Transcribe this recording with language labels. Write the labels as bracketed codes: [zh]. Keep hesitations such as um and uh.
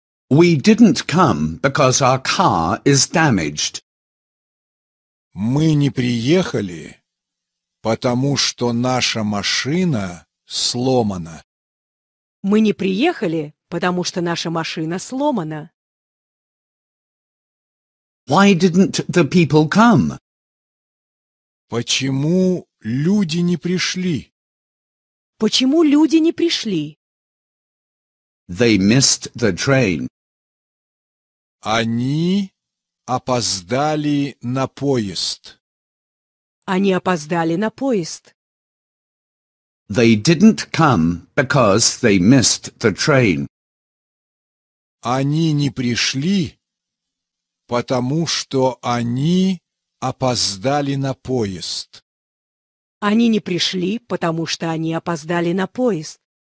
[en] We didn't come because our car is damaged. [ru] Мы не приехали, потому что наша машина сломана сломана. Мы не приехали, потому что наша машина сломана. [en] Why didn't the people come? [ru] Почему люди не пришли? Почему люди не пришли? [en] They missed the train. [ru] Они опоздали на поезд. Они опоздали на поезд. [en] They didn't come because they missed the train. [ru] Они не пришли, потому что они опоздали на поезд. Они не пришли, потому что они опоздали на поезд.